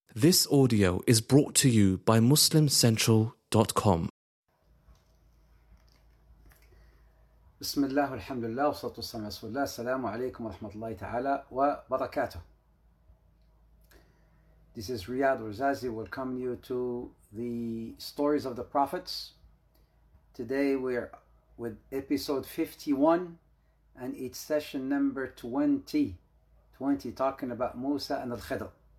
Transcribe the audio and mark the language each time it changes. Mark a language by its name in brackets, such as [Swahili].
[English] This audio is brought to you by MuslimCentral.com. [Arabic] بسم الله والحمد لله والصلاة والسلام على رسول الله. السلام عليكم ورحمة الله تعالى وبركاته. [English] This is Riyad Razazi. Welcome you to the Stories of the Prophets. Today we're with episode 51 and it's session number 20, talking about Musa and Al-Khidr.